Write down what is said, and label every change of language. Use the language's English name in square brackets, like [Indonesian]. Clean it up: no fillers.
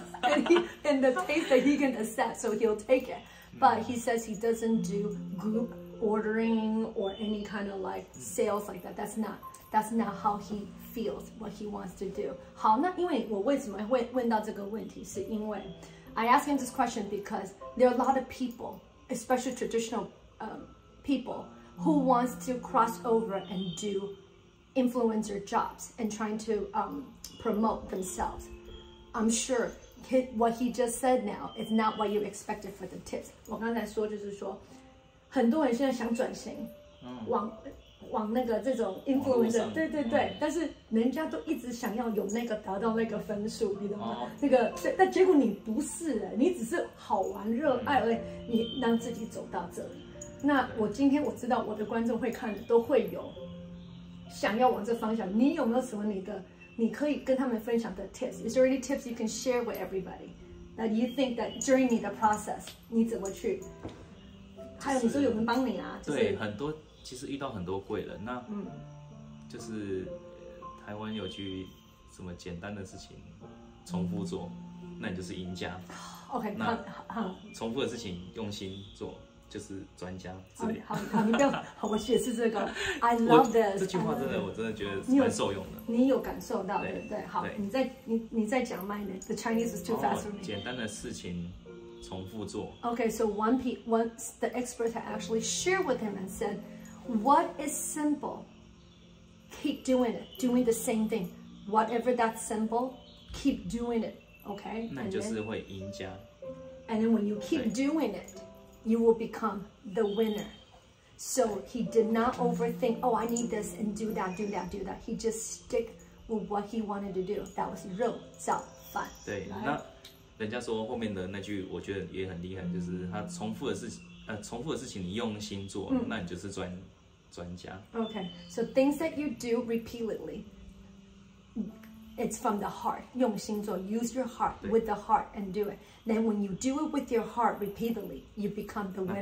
[English] and the taste that he can accept, so he'll take it. But he says he doesn't do group ordering or any kind of like sales like that. That's not how he feels, what he wants to do. [Chinese] 好，那因为我为什么会问到这个问题，是因为 [English] I ask him this question because there are a lot of people, especially traditional people, who wants to cross over and do influencer jobs and trying to promote themselves. I'm sure. What he just said now is not what you expected for the tips. [Chinese] 我刚才说就是说，很多人现在想转型，往那个这种 influencer， 对对对、嗯，但是人家都一直想要有那个达到那个分数，你懂吗？那个，但结果你不是，你只是好玩热爱而已，你让自己走到这里。那我今天我知道我的观众会看的都会有想要往这方向，你有没有什么你可以跟他们分享的 tips? [English] Is there any tips you can share with everybody that you think that during the process [Chinese] 你怎么去，还有你说有人帮你啊，就是，对，很多其实遇到很多贵人，那就是台湾有句什么简单的事情重复做，那你就是赢家。 [English] OK， [Chinese] 那重复的事情用心做就是专家之类。好，你不要，我也是这个 [English] I love this [Chinese] 这句话真的，我真的觉得蛮受用的。你有感受到，对不对？好，对，你再讲慢一点。 [English] The Chinese is too fast for me。 [Chinese] 简单的事情重复做。 [English] OK， so once the expert had actually shared with him and said what is simple keep doing it, doing the same thing whatever that's simple keep doing it, okay? [Chinese] 那你就是会赢家。 [English] And then when you keep doing itYou will become the winner. So he did not overthink, oh, I need this and do that. He just stick with what he wanted to do. That was 肉燥饭。 [Chinese] 对， [English] right? [Chinese] 那人家说后面的那句我觉得也很厉害，就是他重复的事情你用心做，那你就是专家。 [English] Okay, so things that you do repeatedly, it's from the heart. [Chinese] 用心做 [English] use your heart with the heart and do it. Then when you do it with your heart repeatedly, you become the winner.